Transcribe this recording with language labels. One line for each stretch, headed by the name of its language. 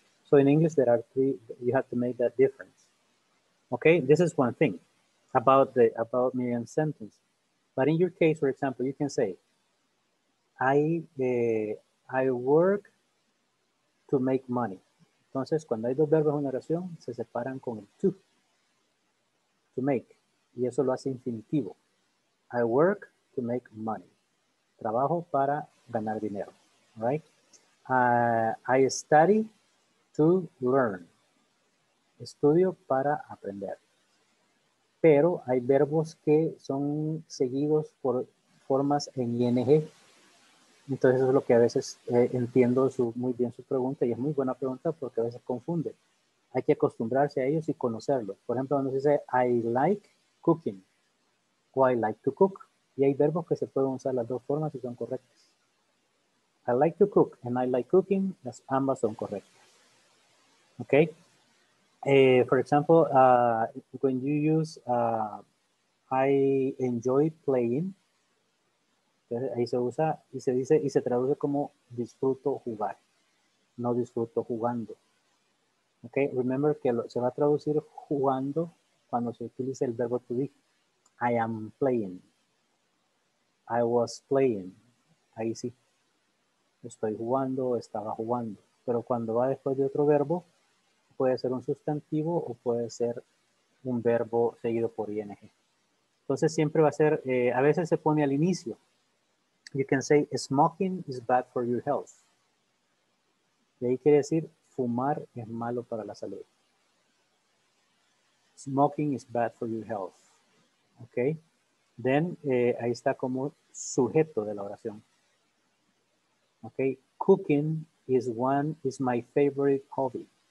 English: So in English, there are three. You have to make that difference. Okay? This is one thing about Miriam's sentence. But in your case, for example, you can say, I work to make money.
Spanish: Entonces, cuando hay dos verbos en una oración, se separan con el to make. Y eso lo hace infinitivo.
English: I work to make money.
Spanish: Trabajo para ganar dinero,
English: right? I study to learn.
Spanish: Estudio para aprender. Pero hay verbos que son seguidos por formas en ing. Entonces eso es lo que a veces entiendo muy bien su pregunta y es muy buena pregunta porque a veces confunde. Hay que acostumbrarse a ellos y conocerlos. Por ejemplo, cuando se dice
English: I like cooking.
Spanish: O
English: I like to cook.
Spanish: Y hay verbos que se pueden usar las dos formas y son correctas.
English: I like to cook and I like cooking.
Spanish: Las ambas son correctas.
English: Okay. For example, when you use I enjoy playing.
Spanish: Ahí se usa y se dice y se traduce como disfruto jugar. No disfruto jugando. Okay. Remember que se va a traducir jugando cuando se utilice el verbo to be.
English: I am playing. I was playing.
Spanish: Ahí sí. Estoy jugando, estaba jugando. Pero cuando va después de otro verbo, puede ser un sustantivo o puede ser un verbo seguido por ing. Entonces siempre va a ser, a veces se pone al inicio.
English: You can say, smoking is bad for your health.
Spanish: Y ahí quiere decir, fumar es malo para la salud.
English: Smoking is bad for your health. Okay, then
Spanish: ahí está como sujeto de la oración.
English: Okay, cooking is my favorite hobby.